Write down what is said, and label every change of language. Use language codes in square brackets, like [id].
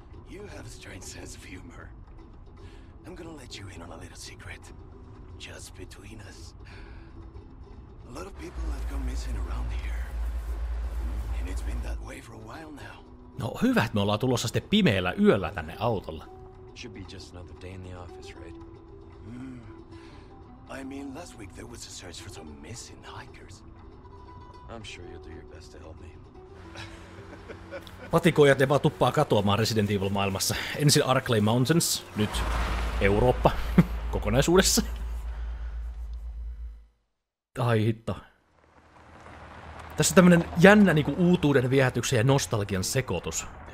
[en] You have a strange sense of humor. I'm gonna let you in on a little secret. Just between us. A lot of people have gone missing around here. And it's been that way for a while now. [fi] No hyvä, että me ollaan tulossa sitten pimeällä yöllä tänne autolla. [en] Should be just another day in the office, right? I mean, last week there was a search for some missing hikers. I'm sure you'll do your best to help me. [fi] Patikoijat ne vaan tuppaa katoamaan Resident Evil-maailmassa. Ensin Arklay Mountains, nyt Eurooppa kokonaisuudessa. Ai hitto. Tässä on tämmönen jännä niinku uutuuden viehätyksen ja nostalgian sekoitus.